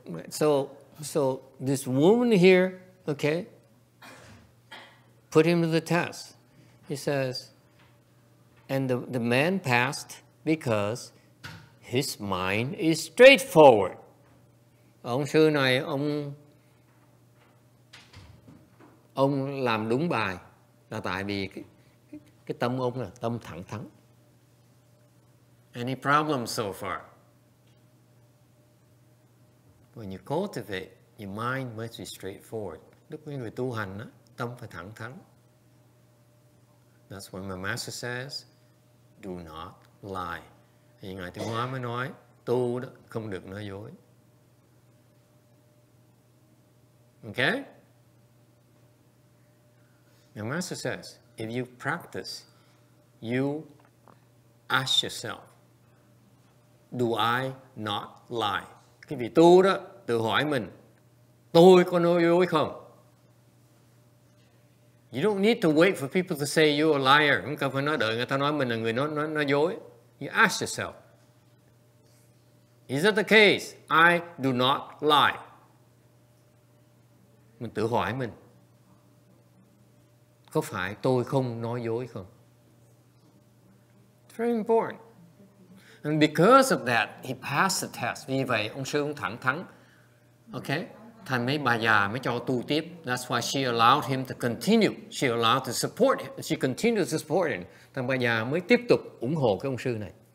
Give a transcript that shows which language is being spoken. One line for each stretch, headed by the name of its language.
English: So this woman here, okay, put him to the test. He says, and the man passed because his mind is straightforward.
Vietnamese: Ông sư này ông làm đúng bài là tại vì cái tâm ông là tâm thẳng thắn.
English: Any problems so far? When you cultivate, your mind must be straightforward.
Vietnamese: Lúc người tu hành á, tâm phải thẳng thắn.
English: That's when my master says, do not lie.
Vietnamese: Thì Ngài Tiêu Hóa mới nói, tu đó không được nói dối. Okay?
English: My master says, if you practice, you ask yourself, do I not lie?
Vietnamese: Cái vị tu đó tự hỏi mình, tôi có nói dối không?
English: You don't need to wait for people to say you're a liar.
Vietnamese: Không cần phải nói đợi người ta nói mình là người nói dối.
English: You ask yourself, is that the case? I do not lie.
Vietnamese: Mình tự hỏi mình, có phải tôi không nói dối không?
English: It's very important. And because of that, he passed the test.
Vietnamese: Vì vậy, ông sư ông thẳng thắn. Okay? Thành mấy bà già mới cho tu tiếp.
English: That's why she allowed him to continue. She allowed to support him. She continued to support him.
Vietnamese: Thành bà già mới tiếp tục ủng hộ cái ông sư này.